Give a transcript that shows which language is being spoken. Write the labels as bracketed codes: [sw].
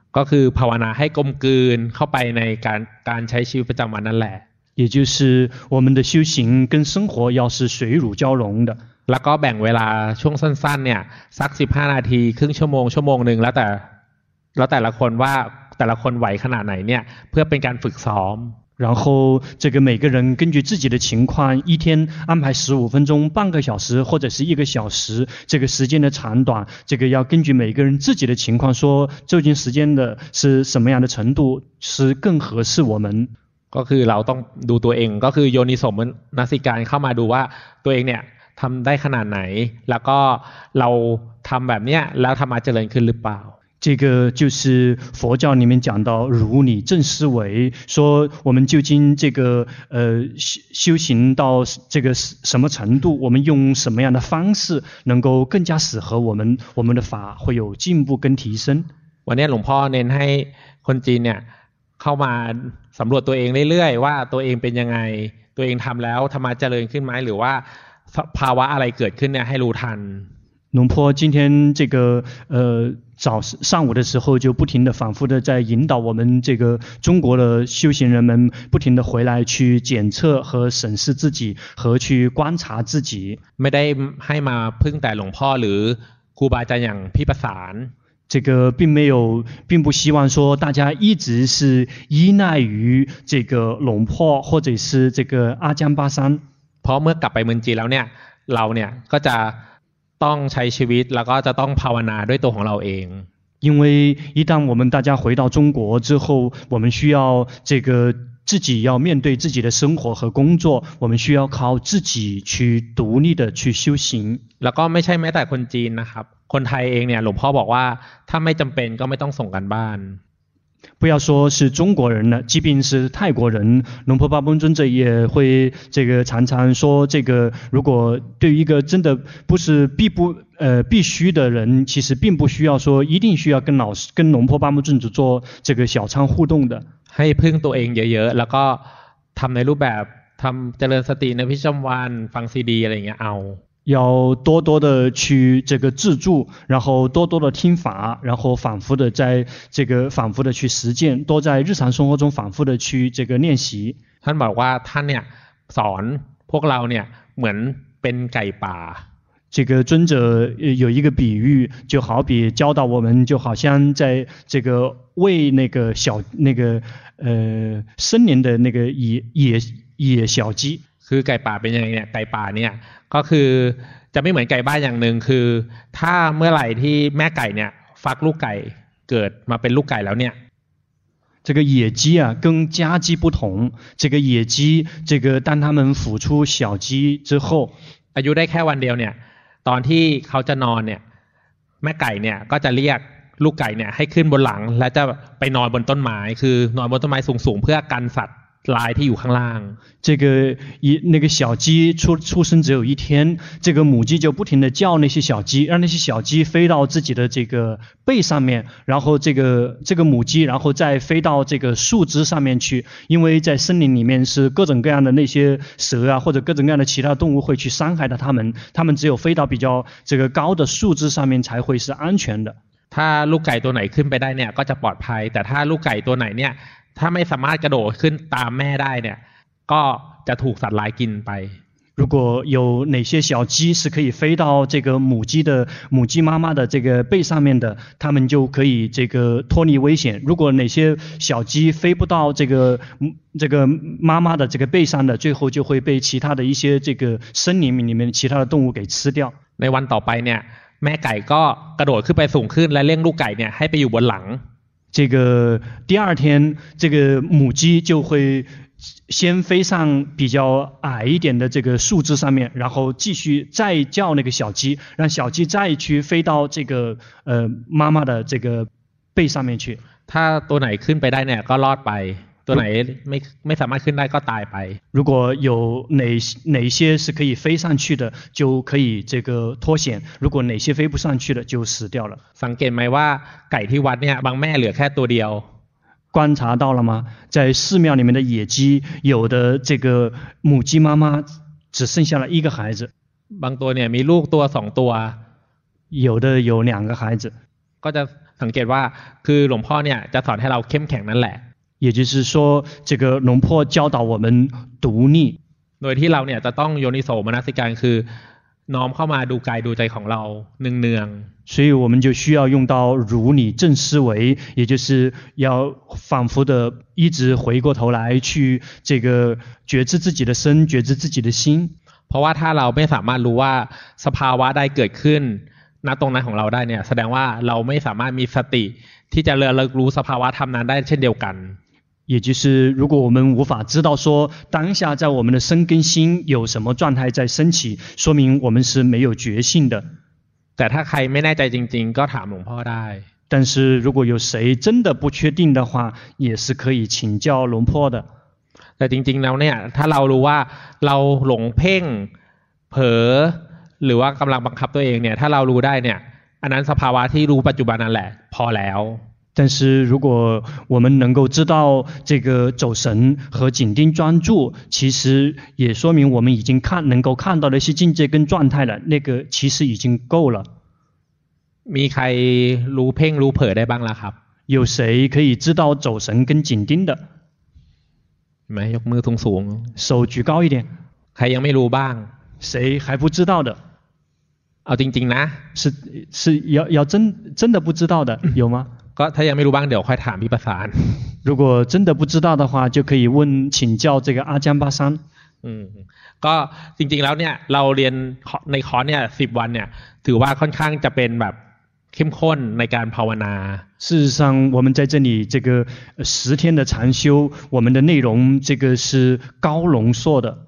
[th] ก็คือภาวนาให้กลมกลืนเข้าไปในการใช้ชีวิตประจำวันนั่นแหละ [zh] 也就是我们的修行跟生活要是水乳交融的 [th] แล้วก็แบ่งเวลาช่วงสั้นๆเนี่ยสัก15นาทีครึ่งชั่วโมงชั่วโมงนึงแล้วแต่ละคนว่าแต่ละคนไหวขนาดไหนเนี่ยเพื่อเป็นการฝึกซ้อม [zh] 然后这个每个人根据自己的情况一天安排15分钟半个小时或者是一个小时这个时间的长短这个要根据每个人自己的情况说究竟时间的是什么样的程度是更合适我们 [th] ก็คือเราต้องดูตัวเองก็คือโยนิสมนสิการเข้ามาดูว่าตัวเองเนี่ยทำได้ขนาดไหนแล้วก็เราทำแบบนี้แล้วทำมาเจริญขึ้นหรือเปล่า [zh] 这个就是佛教里面讲到如理正思维说我们究竟这个修行到这个什么程度我们用什么样的方式能够更加适合我们的法会有进步跟提升 [th] วันนี้หลวงพ่อเน้นให้คนจีนเนี่ยเข้ามาสำรวจตัวเองเรื่อยๆว่าตัวเองเป็นยังไงตัวเองทำแล้วทำมาเจริญขึ้นไหมหรือว่าภาวะอะไรเกิดขึ้นเนี่ยให้รู้ทัน [zh] หลวงพ่อ今天这个早上午的时候就不停的反复的在引导我们这个中国的修行人们不停的回来去检测和审视自己和去观察自己 [th] ไม่ได้ให้มาพึ่งแต่หลวงพ่อหรือครูบาอาจารย์อย่างพี่ประสาน [zh] 这个并不希望说大家一直是依赖于这个龙破或者是这个阿江巴山 [th] เพราะเมื่อกลับไปเมืองจีนแล้วเนี่ยเราเนี่ยก็จะต้องใช้ชีวิตแล้วก็จะต้องภาวนาด้วยตัวของเราเอง [zh] 因为一旦我们大家回到中国之后我们需要这个自己要面对自己的生活和工作我们需要靠自己去独立的去修行 [th] แล้วก็ไม่ใช่แม้แต่คนจีนนะครับคนไทยเองเนี่ยหลวงพ่อบอกว่าถ้าไม่จำเป็นก็ไม่ต้องส่งกันบ้าน [zh] 不要说是中国人了，即便是泰国人，龙婆巴崩尊者也会这个常常说，这个如果对于一个真的不是必须的人，其实并不需要说一定需要跟龙婆巴崩尊者做这个小乘互动的。 [th] ให้พึ่งตัวเองเยอะๆ แล้วก็ทำในรูปแบบทำเจริญสติในประจำวันฟังซีดีอะไรอย่างเงี้ยเอา [zh] 要多多的去这个自助然后多多的听法然后反复的在这个反复的去实践多在日常生活中反复的去这个练习 [th] ท่านบอกว่าท่านเนี่ยสอนพวกเราเนี่ยเหมือนเป็นไก่ป่า [zh] 这个尊者有一个比喻就好比教导我们就好像在这个喂那个小那个森林的那个野小鸡 [th] คือไก่ป่าเป็นยังไงเนี่ยไก่ป่าเนี่ยก็คือจะไม่เหมือนไก่บ้านอย่างหนึ่งคือถ้าเมื่อไหร่ที่แม่ไก่เนี่ยฟักลูกไก่เกิดมาเป็นลูกไก่แล้วเนี่ย [zh] 这个野鸡啊跟家鸡不同这个野鸡这个当他们孵出小鸡之后 [th] อายุได้แค่วันเดียวเนี่ยตอนที่เขาจะนอนเนี่ยแม่ไก่เนี่ยก็จะเรียกลูกไก่เนี่ยให้ขึ้นบนหลังและจะไปนอนบนต้นไม้คือนอนบนต้นไม้สูงๆเพื่อกันสัตว์ [zh] 来 [th] ที่อยู่ข้างล่าง [zh] 这个那个小鸡出生只有一天这个母鸡就不停地叫那些小鸡让那些小鸡飞到自己的这个背上面然后这个母鸡然后再飞到这个树枝上面去因为在森林里面是各种各样的那些蛇啊或者各种各样的其他动物会去伤害到它们只有飞到比较这个高的树枝上面才会是安全的 [th] ถ้าลูกไก่ตัวไหนขึ้นไปได้เนี่ยก็จะปลอดภัยแต่ถ้าลูกไก่ตัวไหนเนี่ยถ้าไม่สามารถกระโดดขึ้นตามแม่ได้เนี่ยก็จะถูกสัตว์ร้ายกินไป [zh] 如果有哪些小鸡是可以飞到这个母鸡妈妈的这个背上面的它们就可以这个脱离危险如果哪些小鸡飞不到这个妈妈的这个背上的最后就会被其他的一些这个森林里面其他的动物给吃掉 [th] ในวันต่อไปเนี่ย แม่ไก่ก็กระโดดขึ้นไปสูงขึ้นและเลี้ยงลูกไก่เนี่ยให้ไปอยู่บนหลัง [zh] 这个第二天这个母鸡就会先飞上比较矮一点的这个树枝上面然后继续再叫那个小鸡让小鸡再去飞到这个妈妈的这个背上面去他 [th] ตัวไหนขึ้นไปได้เนี่ยก็รอดไปตัวไหนไม่สามารถขึ้นได้ก็ตายไป [zh] 如果有哪些是可以飞上去的就可以这个脱险如果哪些飞不上去的就死掉了 [th] สังเกตไหมว่าไก่ที่วัดเนี่ยบางแม่เหลือแค่ตัวเดียว [zh] 观察到了吗在寺庙里面的野鸡有的这个母鸡妈妈只剩下了一个孩子 [th] บางตัวเนี่ยมีลูกตัวสองตัว [zh] 有的有两个孩子 [th] ก็จะสังเกตว่าคือหลวงพ่อเนี่ยจะสอนให้เราเข้มแข็งนั่นแหละ [zh] 也就是说这个龙婆教导我们独立 [th] โดยที่เราเนี่ยจะต้องโยนิโสมนสิการคือน้อมเข้ามาดูกายดูใจของเราเนือง [zh] ๆ所以我们就需要用到如理正思维也就是要反复的一直回过头来去这个觉知自己的身觉知自己的心 [th] เพราะว่าถ้าเราไม่สามารถรู้ว่าสภาวะได้เกิดขึ้นณตรงนั้นของเราได้เนี่ยแสดงว่าเราไม่สามารถมีสติที่จะเรียนรู้สภาวะธรรมนั้นได้เช่นเดียวกัน [zh] 也就是如果我们无法知道说当下在我们的身跟心有什么状态在升起说明我们是没有觉性的 [th] แต่ถ้าใครไม่แน่ใจจริงๆก็ถามหลวงพ่อได้ [zh] 但是如果有谁真的不确定的话也是可以请教หลวงพ่อ的 [th] แต่จริงๆแล้วเนี่ยถ้าเรารู้ว่าเราหลงเพ่งเผลอหรือว่ากำลังบังคับตัวเองเนี่ยถ้าเรารู้ได้เนี่ยอันนั้นสภาวะที่รู้ปัจจุบันนั่นแหละพอแล้ว [zh] 但是如果我们能够知道这个走神和紧盯专注其实也说明我们已经看能够看到的一些境界跟状态了那个其实已经够了 [th] มีใครรู้เพ่งรู้เผลอได้บ้างล่ะครับ [zh] 有谁可以知道走神跟紧盯的 [th] ไหมยกมือสูงสูง [zh] 手举高一点 [th] ใครยังไม่รู้บ้าง [zh] 谁还不知道的 [th] เอาจริงๆนะ [zh] 是要真的不知道的有吗 [th] ก็ถ้ายังไม่รู้บ้างเดี๋ยวค่อยถามพี่ประสาน [zh] 如果真的不知道的话就可以问请教这个阿江巴山 [th] ก็จริงๆแล้วเนี่ยเราเรียนในคอร์สเนี่ย10วันเนี่ยถือว่าค่อนข้างจะเป็นแบบเข้มข้นในการภาวนา [zh] 事实上我们在这里这个十天的禅修我们的内容这个是高浓缩的